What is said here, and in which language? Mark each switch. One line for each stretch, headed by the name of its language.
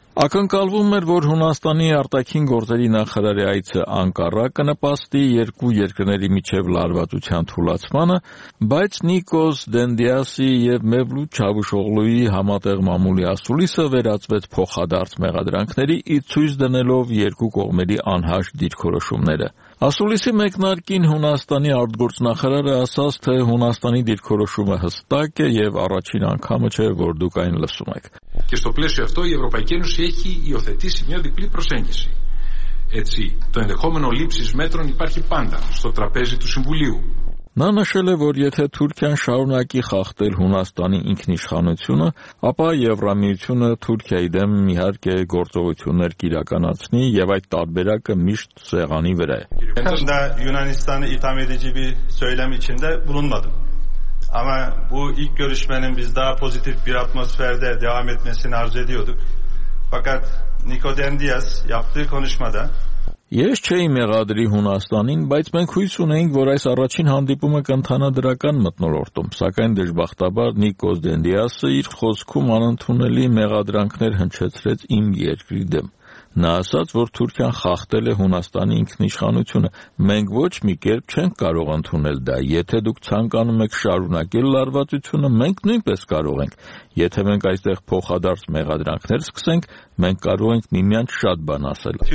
Armenian: Ակնկալվում էր, որ Հունաստանի արտաքին գործերի նախարարի այցը Անկարա կնպաստի երկու երկրների միջև լարվածության թուլացմանը, բայց Նիկոս Դենդիասի և Մևլութ Չավուշօղլուի համատեղ մամուլի ասուլիսը վերածվեց փոխադարձ մեղադրանքների, ի ցույց դնելով երկու կողմերի անհաշ դիրքորոշումները։ Ասուլիսի մեկնարկին Հունաստանի արտգործնախարարը ասաց, թե Հունաստանի դիրքորոշումը հստակ է և առաջին անգամը չէ, որ դուք այն լսում եք։
Greek: Και στο πλαίσιο αυτό η Ευρωπαϊκή Ένωση έχει υιοθετήσει μια διπλή προσέγγιση. Έτσι, το ενδεχόμενο λήψης μέτρων υπάρχει πάντα στο τραπέζι του Συμβουλίου.
Armenian: Նա նշել է, որ եթե Թուրքիան շարունակի խախտել Հունաստանի ինքնիշխանությունը, ապա Եվրամիությունը Թուրքիայի դեմ իհարկե գործողություններ կիրականացնի և այդ տարբերակը միշտ սեղանի վրա
Turkish: է։ Ama bu ilk görüşmenin biz daha pozitif bir atmosferde devam etmesini arzu ediyorduk. Fakat Niko Dendias yaptığı konuşmada
Armenian: Ես չէի մեղադրի Հունաստանին, բայց մենք հույս ունեինք, որ այս առաջին հանդիպումը կընթանա դրական մթնոլորտում, սակայն դժբախտաբար Նիկոս Դենդիասը իր խոսքում անընդունելի մեղադրանքներ հնչեցրեց իմ երկրի դեմ։ Նա ասաց, որ Թուրքիան խախտել է Հունաստանի ինքնիշխանությունը։ Մենք ոչ մի կերպ չենք կարող ընդունել դա։ Եթե դուք ցանկանում եք շարունակել լարվածությունը, մենք նույնպես կարող ենք։ Եթե մենք այստեղ փոխադարձ մեղադրանքներ սկսենք, մենք կարող ենք միմյանց շատ բան ասել։